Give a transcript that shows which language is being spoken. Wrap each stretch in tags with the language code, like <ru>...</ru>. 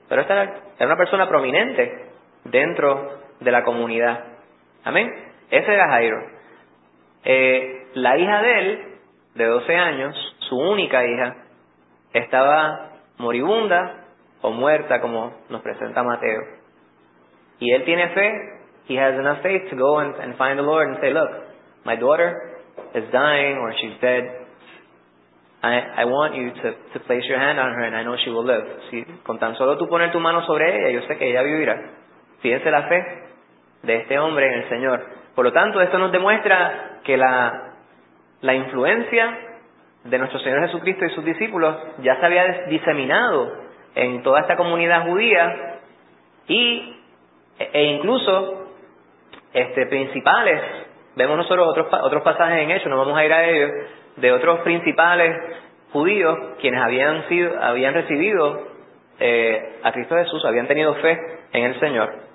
<es>Pero esta era una persona prominente dentro de la comunidad. ¿Amén? Ese era Jairo. La hija de él, de 12 años, su única hija, estaba moribunda o muerta, como nos presenta Mateo. Y él tiene fe.</es> <en>He has enough faith to go and find the Lord and say, look, my daughter is dying or she's dead. I want you to place your hand on her and I know she will live.</en> <es>Si con tan solo tú poner tu mano sobre ella, yo sé que ella vivirá. Fíjense la fe de este hombre en el Señor. Por lo tanto, esto nos demuestra que la influencia de nuestro Señor Jesucristo y sus discípulos ya se había diseminado en toda esta comunidad judía e incluso principales, vemos nosotros otros pasajes en Hechos, no vamos a ir a ellos, de otros principales judíos quienes habían recibido a Cristo Jesús, habían tenido fe en el Señor.</es>